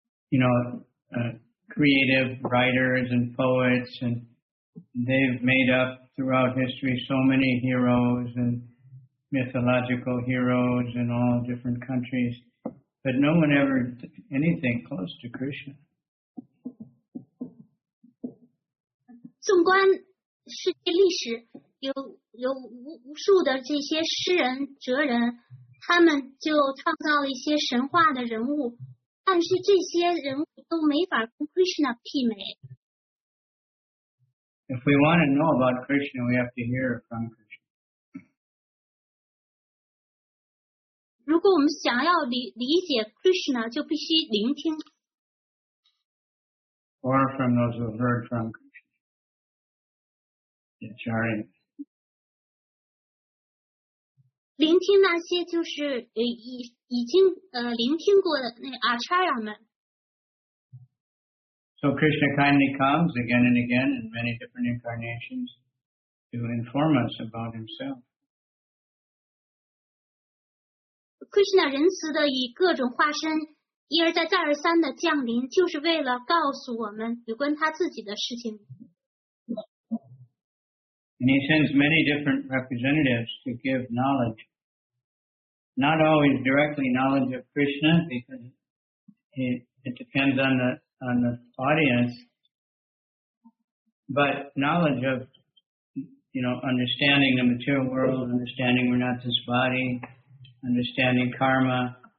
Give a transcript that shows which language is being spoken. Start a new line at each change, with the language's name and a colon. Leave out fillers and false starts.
English: You know, creative writers and poets, and they've made up throughout history so many heroes and mythological heroes in all different countries, but no one ever did anything close to Krishna.
Chinese: 纵观世界历史，有无数的这些诗人、哲人。他们就创造了一些神话的人物，但是这些人物都没法跟 Krishna 媲美。
English: If we want to know about Krishna, we have to hear from Krishna.
Chinese: 如果我们想要理解 Krishna, 就必须聆听。
English: Or from those who have heard from Krishna. It's all right.
Chinese: 聆听那些就是已经聆听过的那阿查亚们。
English: So Krishna kindly comes again and again in many different incarnations to inform us about himself.
Chinese: Krishna 仁慈的以各种化身一而再再而三的降临，就是为了告诉我们有关他自己的事情。
English: And he sends many different representatives to give knowledge. Not always directly knowledge of Krishna, because it depends on the audience, but knowledge of, you know, understanding the material world, understanding we're not this body, understanding karma.